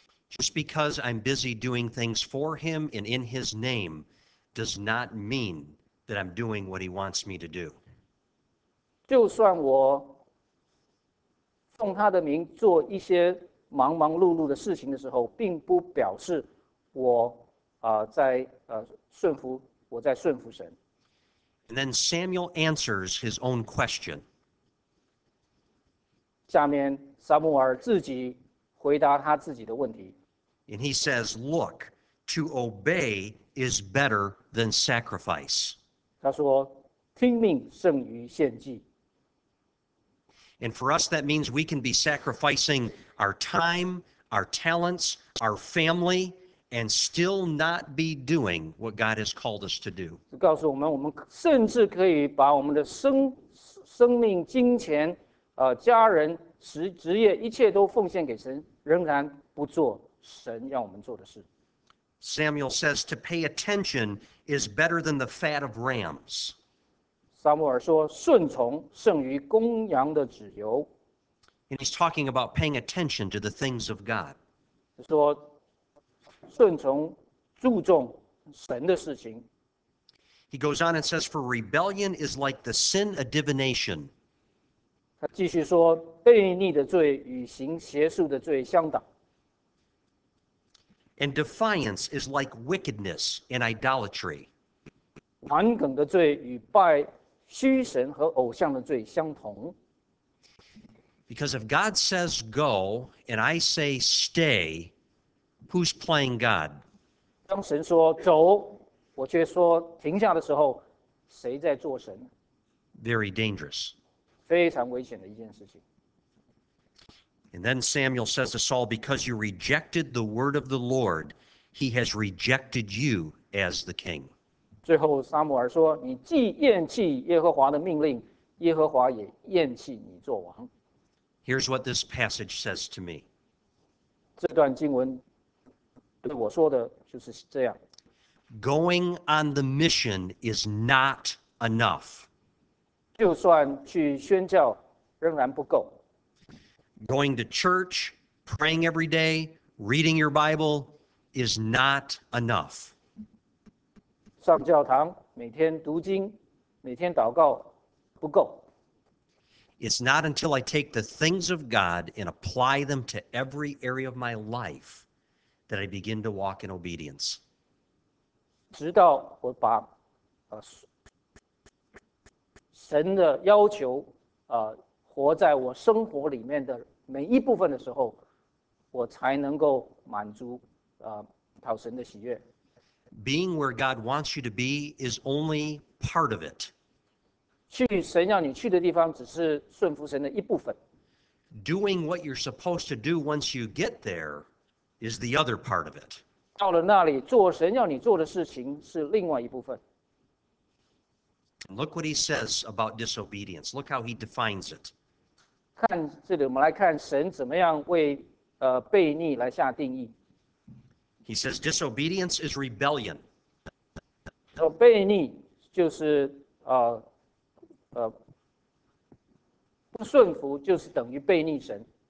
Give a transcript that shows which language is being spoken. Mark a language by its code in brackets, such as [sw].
[en] Just because I'm busy doing things for Him and in His name does not mean that I'm doing what He wants me to do. [zh] 就算我奉他的名做一些忙忙碌碌的事情的时候，并不表示我在顺服神。 [en] And then Samuel answers his own question. [zh] 下面撒母耳自己回答他自己的问题。 [en] And he says, "Look, to obey is better than sacrifice." [zh] 他说，听命胜于献祭。 [en] And for us, that means we can be sacrificing our time, our talents, our family, and still not be doing what God has called us to do. [zh] 告诉我们，我们甚至可以把我们的生命、金钱、家人、职业，一切都奉献给神，仍然不做神要我们做的事。 [en] Samuel says to pay attention is better than the fat of rams. [zh] 撒母耳说，顺从胜于公羊的脂油。 [en] And he's talking about paying attention to the things of God. [zh] 说，顺从注重神的事情。 [en] He goes on and says, for rebellion is like the sin of divination. [zh] 他继续说，悖逆的罪与行邪术的罪相当。 [en] And defiance is like wickedness and idolatry. [zh] 顽梗的罪与拜虚神和偶像的罪相同。 [en] Because if God says go and I say stay, who's playing God? [zh] 当神说走，我却说停下的时候，谁在做神？ [en] Very dangerous. [zh] 非常危险的一件事情。 [en] And then Samuel says to Saul, because you rejected the word of the Lord, he has rejected you as the king. [zh] 最后撒母耳说，你既厌弃耶和华的命令，耶和华也厌弃你做王。 [en] Here's what this passage says to me. [zh] 这段经文对我说的就是这样。 [en] Going on the mission is not enough. [zh] 就算去宣教仍然不够。 [en] Going to church, praying every day, reading your Bible is not enough. [zh] 上教堂，每天读经，每天祷告，不够。 [en] It's not until I take the things of God and apply them to every area of my life that I begin to walk in obedience. [zh] 直到我把神的要求活在我生活里面的每一部分的时候，我才能够满足讨神的喜悦。 [en] Being where God wants you to be is only part of it. [zh] 去神要你去的地方只是顺服神的一部分。 [en] Doing what you're supposed to do once you get there is the other part of it. [zh] 到了那里，做神要你做的事情是另外一部分。 [en] Look what he says about disobedience. Look how he defines it. [zh] 看这里，我们来看神怎么样为悖逆来下定义。 [en] He says, disobedience is rebellion. [zh] 悖逆就是不顺服就是等于悖逆神。